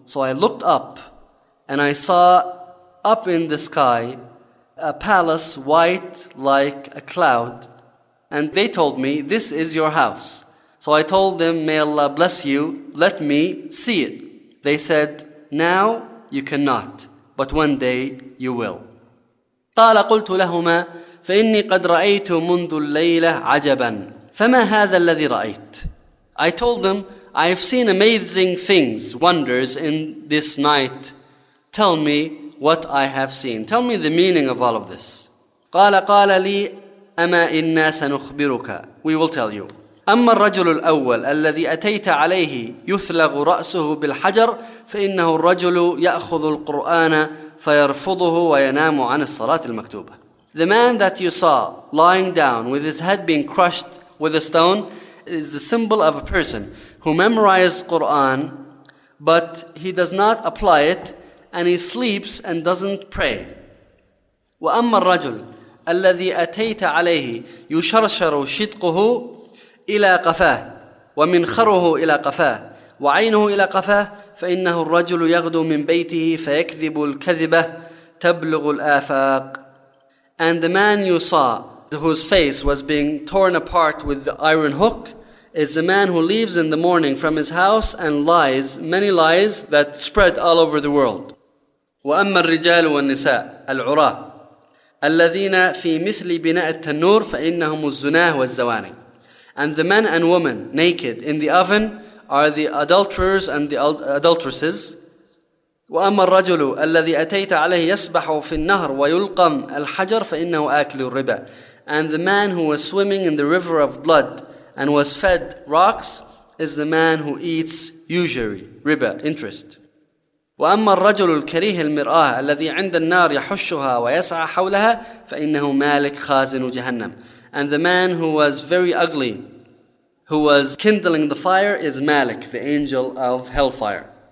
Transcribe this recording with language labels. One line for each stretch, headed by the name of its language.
English: So I looked up, and I saw up in the sky a palace white like a cloud. And they told me, this is your house. So I told them, may Allah bless you, let me see it. They said, now you cannot, but one day you will.
Arabic: قال قلت لهما فإني قد رأيت منذ الليلة عجبا فما هذا الذي رأيت.
English: I told them, I've seen amazing things, wonders in this night. Tell me what I have seen. Tell me the meaning of all of this. قال لي أما إنا سنخبرك. We will tell you.
Arabic: أما الرجل الأول الذي أتيت عليه يثلغ رأسه بالحجر فإنه الرجل يأخذ القرآن فيرفضه وينام عن الصلاة المكتوبة.
English: The man that you saw lying down with his head being crushed with a stone is the symbol of a person who memorized Quran, but he does not apply it, and he sleeps and doesn't pray.
Arabic: وأما الرجل الذي أتيت عليه يشرشر شدقه إلى قفاه ومنخره إلى قفاه وعينه إلى قفاه فإنه الرجل يغدو من بيته فيكذب الكذبة تبلغ الآفاق.
English: And the man you saw whose face was being torn apart with the iron hook is the man who leaves in the morning from his house and lies many lies that spread all over the world.
Arabic: وأما الرجال والنساء العراة الذين في مثل بناء التنور فإنهم الزناة والزواني.
English: And the men and women naked in the oven are the adulterers and the adulteresses.
Arabic: وأما الرجل الذي أتيت عليه يسبح في النهر ويلقم الحجر فإنه آكل الربا.
English: And the man who was swimming in the river of blood and was fed rocks is the man who eats usury, riba, interest.
Arabic: وَأَمَّا الرَّجُلُ الْكَرِيهِ الْمِرْآهَ الَّذِي عِنْدَ النَّارِ يَحُشُّهَا وَيَسْعَى حَوْلَهَا فَإِنَّهُ مَالِكْ خَازِنُ جَهَنَّمْ.
English: And the man who was very ugly, who was kindling the fire, is Malik, the angel of hellfire.